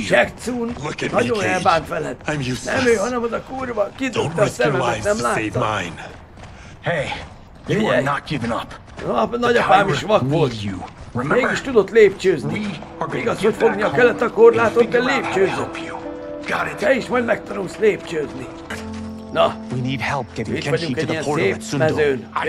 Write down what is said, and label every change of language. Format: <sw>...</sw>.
<hu>Shang Tsung nagyon elbánt veled.</hu> <en>I'm useless.</en> <hu>Nem ő, hanem az a kurva, kidugta a szememet, nem látom.</hu> <en>Hey, you are not giving up.</en> <hu>Nagyapám is vak volt. Mégis tudott lépcsőzni. Igaz, hogy fogni a kellett a korlátot, de lépcsőzött. Te is majd megtanulsz lépcsőzni. Na,</hu> <en>we need help getting Kenshi to the portal at Sundown.</en>